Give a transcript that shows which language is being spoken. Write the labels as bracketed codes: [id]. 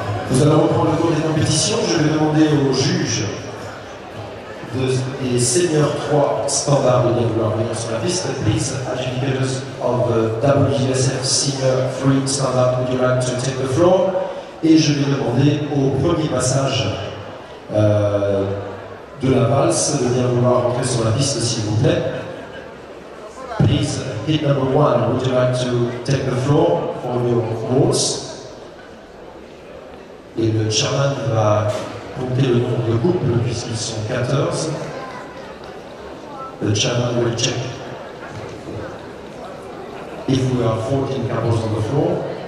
[fr] Nous allons reprendre le cours des compétitions. Je vais demander aux juges des Senior 3 Standard de vouloir venir sur la piste. [en] Please, adjudicators of the WSF Senior 3 Standard, would you like to take the floor? [fr] Et je vais demander au premier passage de la valse de venir vouloir rentrer sur la piste, s'il vous plaît. [en] Please, hit number 1, would you like to take the floor for your course? [fr] Et le chairman va compter le nombre de couples puisqu'ils sont 14. [en] The chairman will check. If we are 14 couples on the floor.